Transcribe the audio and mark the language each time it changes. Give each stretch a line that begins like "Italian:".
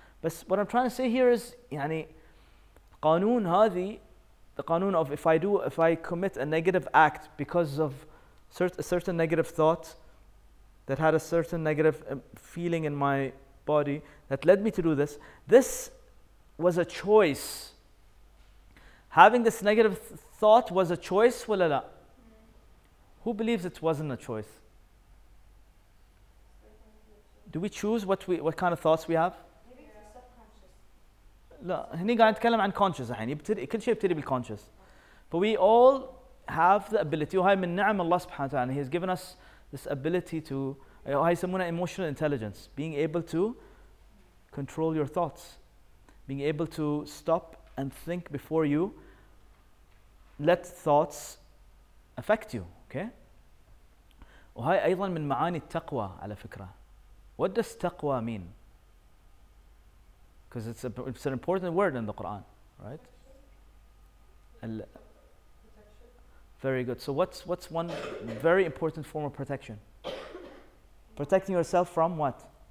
English: But what I'm trying to say here is,
Arabic: يعني, قانون هذه,
English: the قانون of if I commit a negative act because of a certain negative thought that had a certain negative feeling in my body that led me to do this, this was a choice. Having this negative thought was a choice,
Arabic: ولا لا?
English: Who believes it wasn't a choice? Do we choose what kind of thoughts we have? Maybe it's subconscious.
Arabic: لا, هني قاعد نتكلم عن conscious الحين. يبتدي كل شيء يبتدي بالconscious.
English: But we all have the ability.
Arabic: وهاي من نعم الله سبحانه وتعالى.
English: He has given us this ability to.
Arabic: وهاي يسمونها
English: emotional intelligence. Being able to control your thoughts. Being able to stop and think before you let thoughts affect you. Okay.
Arabic: وهاي أيضا من معاني التقوى على فكرة.
English: What does taqwa mean? Because it's an important word in the Quran, right? Very good. So what's one very important form of protection? Protecting yourself from what?